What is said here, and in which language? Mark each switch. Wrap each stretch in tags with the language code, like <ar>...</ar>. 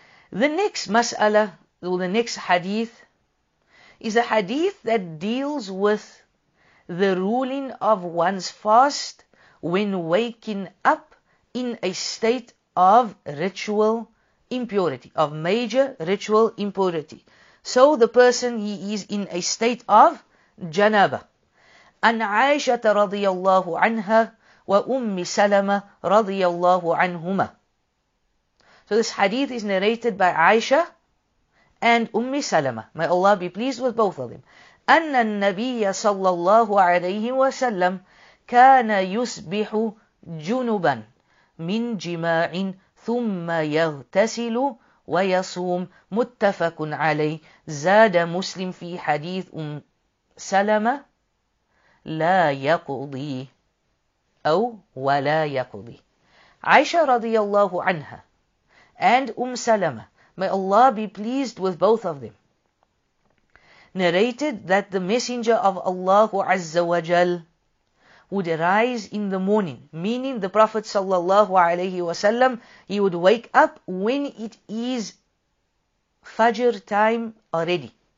<en>The next mas'ala, or the next hadith, is a hadith that deals with the ruling of one's fast when waking up in a state of ritual impurity, of major ritual impurity. So the person, he is in a state of janaba.</en> <ar>عن عائشة رضي الله عنها وأم سلمة رضي الله عنهما.</ar> <en>So this hadith is narrated by Aisha and Umm Salama. May Allah be pleased with both of them.</en> <ar>أن النبي صلى الله عليه وسلم كان يسبح جنبا من جماع ثم يغتسل ويصوم متفق عليه. زاد مسلم في حديث أم سلمة la yaqudi, aw wa la yaqudi.</ar> <en>Aisha</en> <ar>radiyallahu anha</ar> <en>and Salama, may Allah be pleased with both of them, narrated that the Messenger of Allah</en> <ar>Azza wa Jal</ar> <en>would arise in the morning, meaning the Prophet</en> <ar>sallallahu alayhi wa sallam,</ar> <en>he would wake up when it is Fajr time already.</en>